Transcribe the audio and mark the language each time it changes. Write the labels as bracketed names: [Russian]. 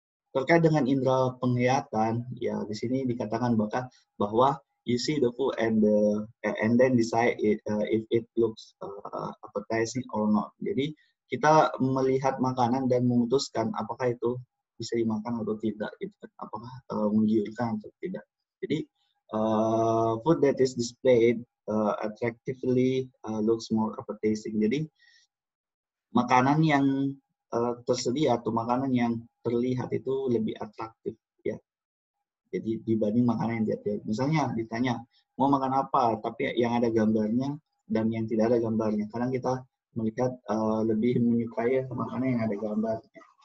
[Indonesian] Terkait dengan indera penglihatan, ya di sini dikatakan bahwa [English] you see the food and then decide if it looks appetizing or not. [Indonesian] Jadi kita melihat makanan dan memutuskan apakah itu bisa dimakan atau tidak, gitu. Apakah menggiurkan atau tidak. [English] Jadi food that is displayed attractively looks more appetizing. [Indonesian] Jadi makanan yang tersedia atau makanan yang terlihat itu lebih atraktif ya. Jadi dibanding makanan yang tidak terlihat. Misalnya ditanya mau makan apa, tapi yang ada gambarnya dan yang tidak ada gambarnya. Kadang kita melihat lebih menyukai makanan yang ada gambarnya.